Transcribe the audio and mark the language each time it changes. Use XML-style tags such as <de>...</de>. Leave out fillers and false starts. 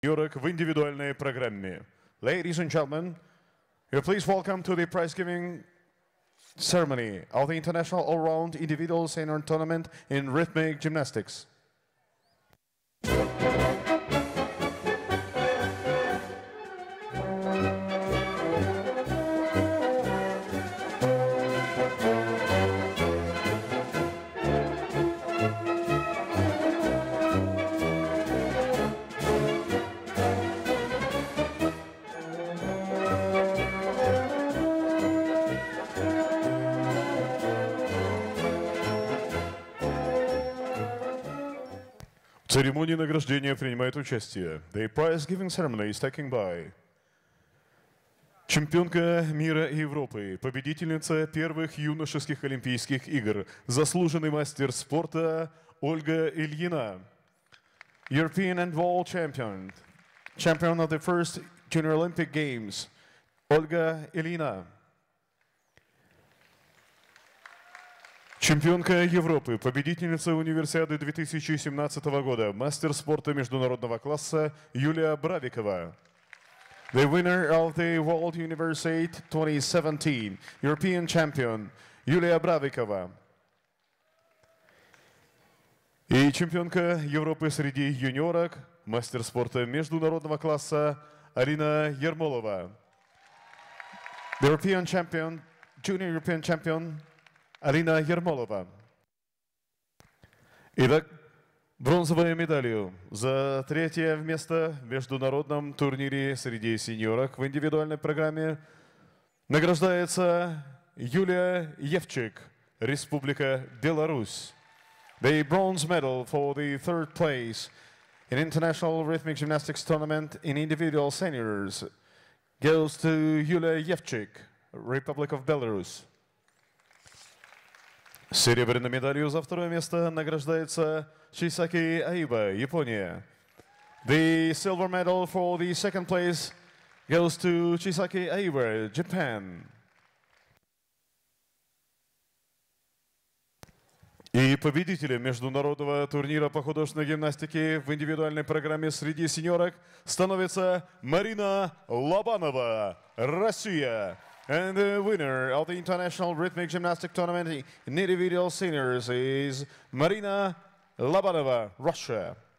<ru>Юрок в индивидуальной программе.</ru> <en>Ladies and gentlemen, you please welcome to the prize giving ceremony of the International All-Round Individual Senior Tournament in Rhythmic Gymnastics.</en> <ru>Церемония награждения принимает участие.</ru> <en>The prize giving ceremony is taking by.</en> <ru>Чемпионка мира и Европы, победительница первых юношеских Олимпийских игр, заслуженный мастер спорта Ольга Ильина.</ru> <en>European and world champion. Champion of the first Junior Olympic Games.</en> <ru>Ольга Ильина. Чемпионка Европы, победительница Универсиады 2017 года, мастер спорта международного класса Юлия Бравикова.</ru> <en>The winner of the World Universiade 2017, European champion Юлия Бравикова.</en> <ru>И чемпионка Европы среди юниорок, мастер спорта международного класса Арина Ермолова.</ru> <en>The European champion, junior European champion. Арина Ермолова.</en> <ru>Итак, бронзовую медалью за третье место в международном турнире среди сеньорок в индивидуальной программе награждается Юлия Евчик, Республика Беларусь.</ru> <en>The bronze medal for the third place in International Rhythmic Gymnastics Tournament in Individual Seniors goes to Юлия Евчик, Republic of Belarus.</en> <ru>Серебряной медалью за второе место награждается Чисаки Аиба, Япония.</ru> <en>The silver medal for the second place goes to Чисаки Аиба, Japan.</en> <ru>И победителем международного турнира по художественной гимнастике в индивидуальной программе среди сеньорок становится Марина Лобанова, Россия.</ru> <en>And the winner of the International Rhythmic Gymnastic Tournament in Individual Seniors is Marina Lobanova, Russia.</en>